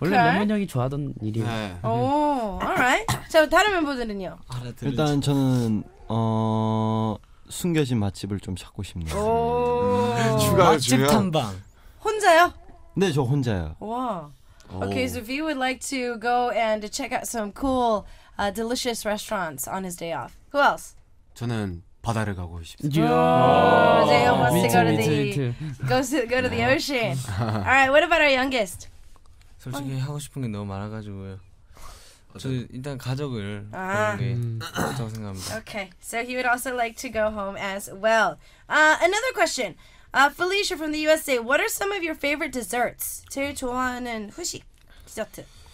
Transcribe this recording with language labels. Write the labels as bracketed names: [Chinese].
[Korean] 원래 멤버 형이 좋아하던 일이에요. 네. [English] Oh, alright. [Korean] 자, 다른 멤버들은요? 일단 저는 숨겨진 맛집을 좀 찾고 싶네요. 맛집 탐방. 혼자요? 네, 저 혼자요. 와. Wow. [English] Okay, so if you would like to go and check out some cool, delicious restaurants on his day off, who else? [Korean] 저는 바다를 가고 싶습니다. Yeah. [English] Oh, Jae wants to go to the go to the ocean. All right, what about our youngest? [Korean] 솔직히 하고 싶은 게 너무 많아가지고요. 저 일단 가족을 보는 게 좋다고 생각합니다. [English] Okay, so he would also like to go home as well. Another question. Felicia from the USA, what are some of your favorite desserts? [Korean] 제일 좋아하는 후식 디저트.